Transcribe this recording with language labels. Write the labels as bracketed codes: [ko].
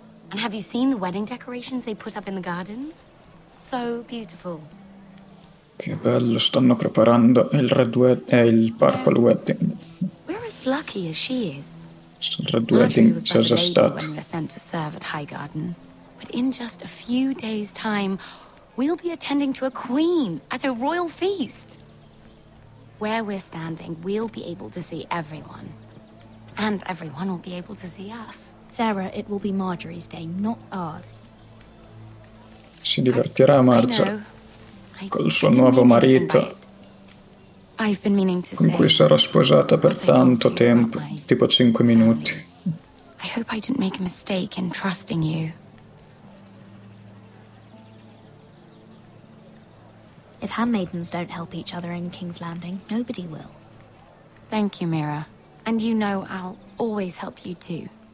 [en] And have you seen the wedding decorations they put up in the gardens? So beautiful. [it] Che bello, stanno preparando il red wedding, il purple wedding. [en] We're as lucky as she is. [it] Il red wedding c'è già stato. [en] When we're sent to serve at Highgarden. But in just a few days' time, we'll be attending to a queen at a royal feast. Where we're standing, we'll be able to see everyone. And everyone will be able to see us. Sarah, it will be Margaery's day, not ours. [it] Si divertirà Marge. Col suo nuovo marito, con cui sarà sposata per tanto tempo, tipo 5 minuti. [en] I hope I didn't make a mistake in trusting you. If handmaidens don't help each other in King's Landing, nobody will. Thank you, Mira. And you know I'll always help you too.